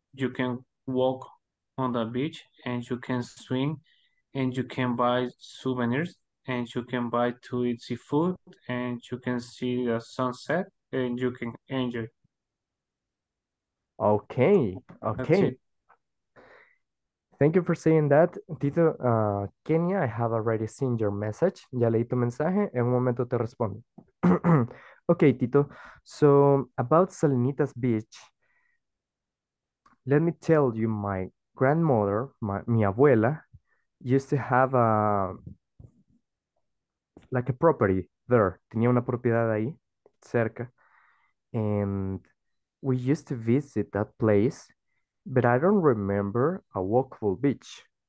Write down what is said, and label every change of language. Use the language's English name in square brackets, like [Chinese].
[English] You can walk on the beach and you can swim and you can buy souvenirs and you can buy to eat seafood and you can see the sunset and you can enjoy. Okay, okay. Thank you for saying that. Tito, Kenya, I have already seen your message. [Spanish] Ya leí tu mensaje, en un momento te respondo. [English] Okay, Tito, so about Salinitas Beach, let me tell you, my grandmother, [Spanish] mi abuela, [English] used to have a, like a property there. [Spanish] Tenía una propiedad ahí, cerca. [English] And we used to visit that place, but I don't remember a walkable beach.